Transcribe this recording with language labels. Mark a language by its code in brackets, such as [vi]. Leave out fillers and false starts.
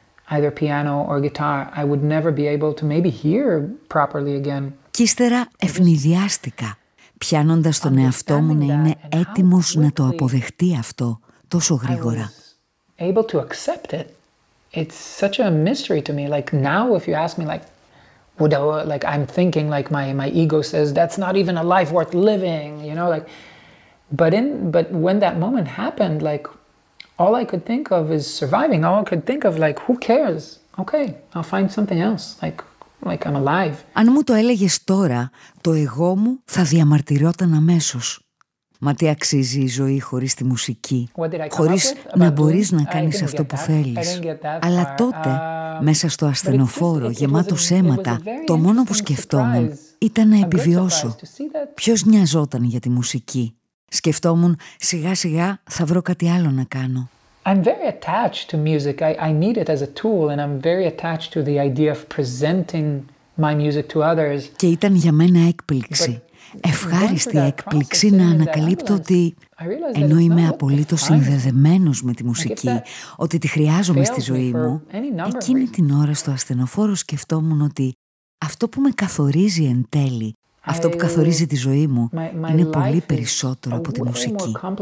[en] Either piano or guitar, I would never be able to maybe hear properly again. [el] Κι ύστερα ευνηδιάστηκα, πιάνοντας τον εαυτό μου να είναι έτοιμος να το αποδεχτεί αυτό τόσο γρήγορα. [en] Able to accept it. It's such a mystery to me. Like now, if you ask me, like, would I, like I'm thinking, like my ego says, that's not even a life worth living, you know, like. But when that moment happened, like. All I could think of is surviving. All I could think of, like, who cares? Okay, I'll find something else. Like I'm alive. [el] Αν μου το έλεγες τώρα, το εγώ μου θα διαμαρτυρόταν αμέσως. Μα τι αξίζει η ζωή χωρίς τη μουσική, χωρίς να μπορείς να κάνεις αυτό που θέλεις. Αλλά τότε, μέσα στο ασθενοφόρο, γεμάτος αίματα, το μόνο που σκεφτόμουν ήταν να επιβιώσω. Ποιος νοιαζόταν για τη μουσική? Σκεφτόμουν σιγά σιγά θα βρω κάτι άλλο να κάνω. [en] I'm very attached to music. I need it as a tool and I'm very attached to the idea of presenting my music to others. [el] Και ήταν για μένα έκπληξη. Ευχάριστη έκπληξη να ανακαλύπτω ότι ενώ είμαι απολύτως συνδεδεμένος με τη μουσική, ότι τη χρειάζομαι στη ζωή μου, εκείνη την ώρα στο ασθενοφόρο σκεφτόμουν ότι αυτό που με καθορίζει εν τέλει, αυτό που καθορίζει τη ζωή μου είναι πολύ περισσότερο από τη μουσική.